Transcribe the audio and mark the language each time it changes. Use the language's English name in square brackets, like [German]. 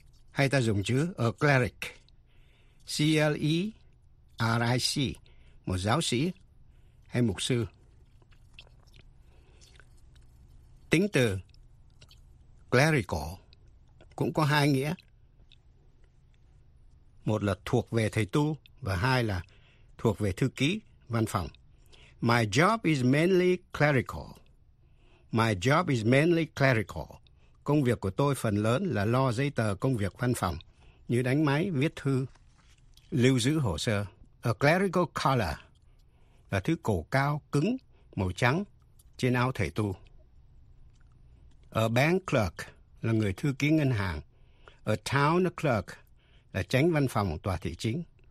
[Vietnamese] Hay ta dùng chữ a cleric, C-L-E-R-I-C, một giáo sĩ hay mục sư. Tính từ clerical cũng có hai nghĩa. Một là thuộc về thầy tu và hai là thuộc về thư ký, văn phòng. [English] My job is mainly clerical. My job is mainly clerical. [Vietnamese] Công việc của tôi phần lớn là lo giấy tờ công việc văn phòng, như đánh máy, viết thư, lưu giữ hồ sơ. A clerical collar là thứ cổ cao, cứng, màu trắng trên áo thầy tu. A bank clerk là người thư ký ngân hàng. A town clerk là chánh văn phòng tòa thị chính.